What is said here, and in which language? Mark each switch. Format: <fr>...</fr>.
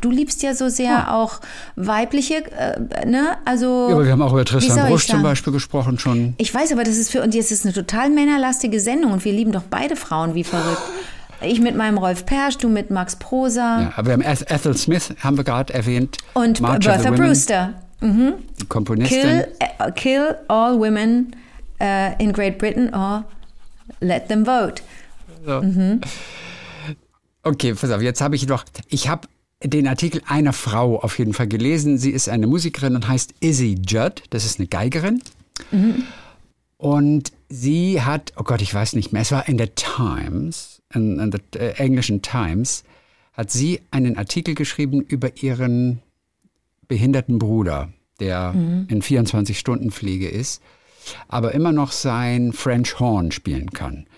<de>Du liebst ja so sehr auch weibliche, ne? Also, ja, aber wir haben auch über Tristan Brusch zum Beispiel gesprochen schon. Ich weiß, aber das ist für uns jetzt eine total männerlastige Sendung und wir lieben doch beide Frauen wie verrückt. Ich mit meinem Rolf Persch, du mit Max Prosa. Ja, aber wir haben Ethel Smith, haben wir gerade erwähnt. Und March Bertha Women, Brewster. Mhm. Komponistin.</de> <en>Kill all women in Great Britain or let them vote.</en> <de>So. Mhm. Okay, pass auf, jetzt habe ich noch, ich habe den Artikel einer Frau auf jeden Fall gelesen. Sie ist eine Musikerin und heißt Izzy Judd. Das ist eine Geigerin. Mhm. Und sie hat, oh Gott, ich weiß nicht mehr, es war in der Times, in der englischen Times, hat sie einen Artikel geschrieben über ihren behinderten Bruder, der in 24-Stunden-Fliege ist, aber immer noch sein French Horn spielen kann.</de>